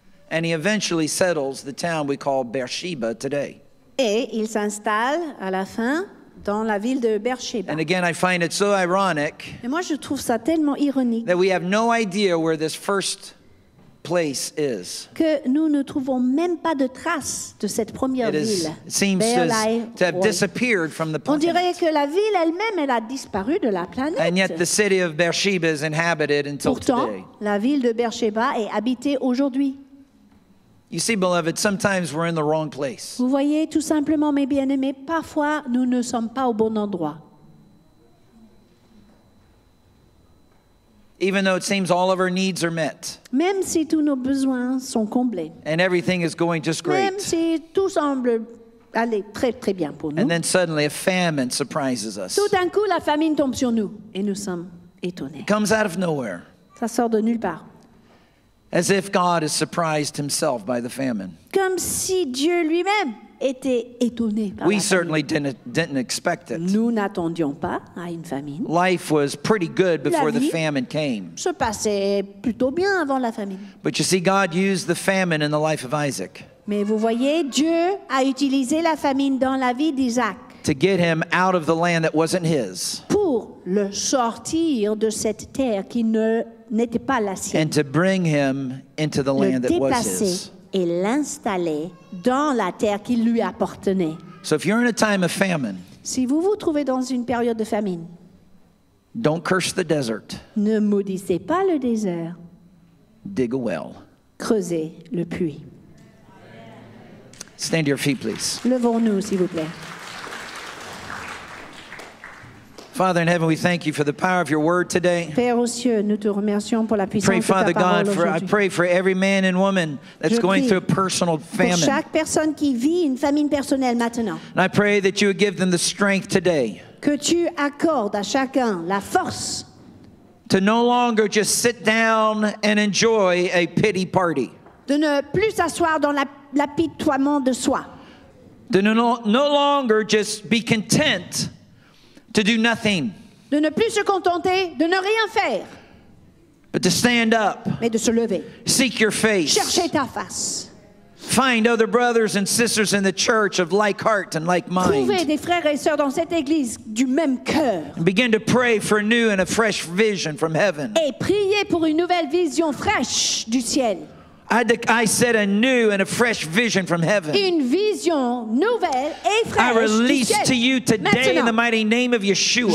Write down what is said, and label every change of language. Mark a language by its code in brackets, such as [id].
[en] And he eventually settles the town we call Beersheba today. [fr] Et il s'installe à la fin dans la ville de Beersheba. [en] And again, I find it so ironic. [fr] Et moi, je trouve ça tellement ironique. [en] That we have no idea where this first place is. [fr] Que nous ne trouvons même pas de traces de cette première ville. [en] It seems to have disappeared from the planet. [fr] On dirait que la ville elle-même elle a disparu de la planète. [en] And yet the city of Beersheba is inhabited until [fr] Pourtant, [en] today. [fr] Pourtant, la ville de Beersheba est habitée aujourd'hui. [en] You see, beloved, sometimes we're in the wrong place. [fr] Vous voyez, tout simplement, mes bien-aimés, parfois nous ne sommes pas au bon endroit. [en] Even though it seems all of our needs are met. [fr] Même si tous nos besoins sont comblés. [en] And everything is going just great. [fr] Même si tout semble aller très très bien pour nous. [en] And then suddenly a famine surprises us. [fr] Tout d'un coup, la famine tombe sur nous et nous sommes étonnés. [en] It comes out of nowhere. [fr] Ça sort de nulle part. [en] As if God is surprised himself by the famine. [fr] Comme si Dieu lui-même était étonné par la famine. [en] We certainly didn't expect it. [fr] Nous n'attendions pas à une famine. [en] Life was pretty good before the famine came. [fr] Se passait plutôt bien avant la famine. [en] But you see, God used the famine in the life of Isaac. [fr] Mais vous voyez, Dieu a utilisé la famine dans la vie d'Isaac. [en] To get him out of the land that wasn't his. [fr] Pour le sortir de cette terre qui ne n'était pas la sienne. [en] And to bring him into the land that was his. [fr] Et l'installer dans la terre qui lui appartenait. [en] So if you're in a time of famine, [fr] si vous vous trouvez dans une période de famine, [en] don't curse the desert. [fr] Ne maudissez pas le désert. [en] Dig a well. [fr] Creusez le puits. [en] Stand to your feet, please. [fr] Levons-nous, s'il vous plaît. [en] Father in heaven, we thank you for the power of your word today. [fr] Père aux cieux, nous te remercions pour la puissance [en] pray, [fr] de [en] Father [fr] ta parole [en] God, for, [fr] aujourd'hui. [en] I pray for every man and woman that's [fr] Je [en] going through a personal famine. [fr] Pour chaque personne qui vit une famine personnelle maintenant. [en] And I pray that you would give them the strength today. [fr] Que tu accordes à chacun la force. [en] To no longer just sit down and enjoy a pity party. [fr] De ne plus s'asseoir dans l'apitoiement de soi. [en] To no longer just be content. To do nothing. [fr] De ne plus se contenter, de ne rien faire. [en] But to stand up. [fr] Mais de se lever. [en] Seek your face. [fr] Chercher ta face. [en] Find other brothers and sisters in the church of like heart and like mind. [fr] Trouvez des frères et sœurs dans cette église du même cœur. [en] Begin to pray for a new and a fresh vision from heaven. [fr] Et priez pour une nouvelle vision fraîche du ciel. [en] I said a new and a fresh vision from heaven. [fr] Une vision nouvelle et fraîche. [en] I release to you today in the mighty name of Yeshua.